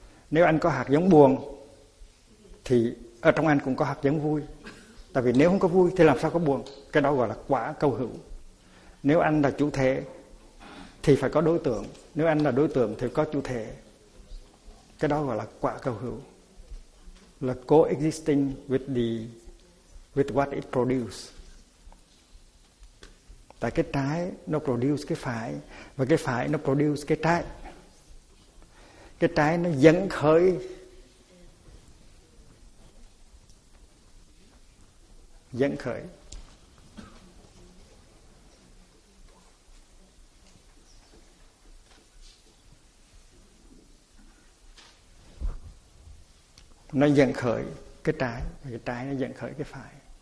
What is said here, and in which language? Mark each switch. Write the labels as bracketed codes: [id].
[vi] Nếu anh có hạt giống buồn thì ở trong anh cũng có hạt giống vui. Tại vì nếu không có vui thì làm sao có buồn. Cái đó gọi là quả câu hữu. Nếu anh là chủ thể thì phải có đối tượng. Nếu anh là đối tượng thì có chủ thể. Cái đó gọi là quả câu hữu. [en] Là coexisting with the with what it produces. [vi] Tại cái trái nó produce cái phải, và cái phải nó produce cái trái. Cái trái nó dẫn khởi nó dẫn khởi cái trái, và cái trái nó dẫn khởi cái phải.